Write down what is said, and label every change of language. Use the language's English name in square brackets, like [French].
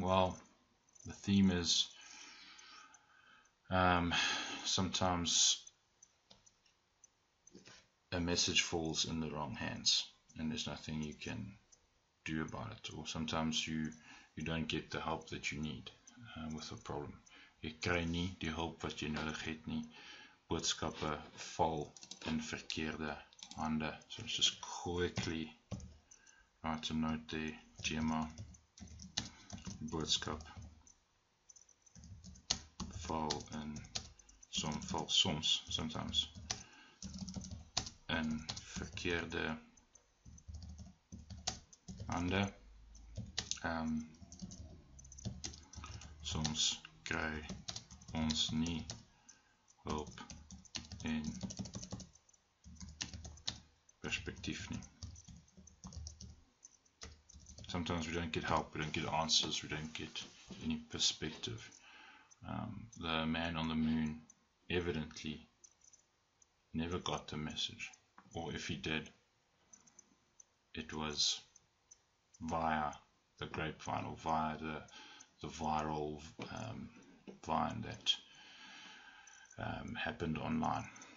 [English] Well, the theme is sometimes a message falls in the wrong hands and there's nothing you can do about it. Or sometimes you don't get the help that you need with a problem. [Afrikaans] You kry nie die hulp wat jy nodig het nie. Boodskappe val in verkeerde hande. [English] So let's just quickly write a note there. [Afrikaans] Gemma, boodskap val in sometimes. In verkeerde hande. Soms kry ons nie hulp en perspektief nie. [English] Sometimes we don't get help, we don't get answers, we don't get any perspective. The man on the moon evidently never got the message. Or if he did, it was via the grapevine or via the viral vine that happened online.